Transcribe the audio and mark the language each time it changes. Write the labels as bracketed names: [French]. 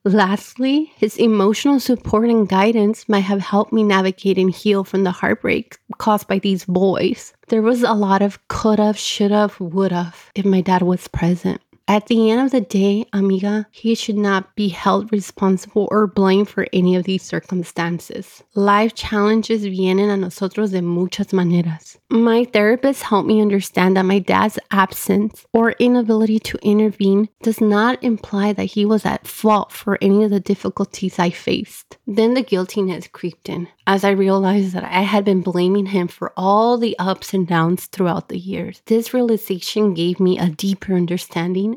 [English] Lastly, his emotional support and guidance might have helped me navigate and heal from the heartbreak caused by these boys. There was a lot of could've, should've, would've if my dad was present. At the end of the day, amiga, he should not be held responsible or blamed for any of these circumstances. Life challenges [Spanish] vienen a nosotros de muchas maneras. [English] My therapist helped me understand that my dad's absence or inability to intervene does not imply that he was at fault for any of the difficulties I faced. Then the guiltiness creeped in as I realized that I had been blaming him for all the ups and downs throughout the years. This realization gave me a deeper understanding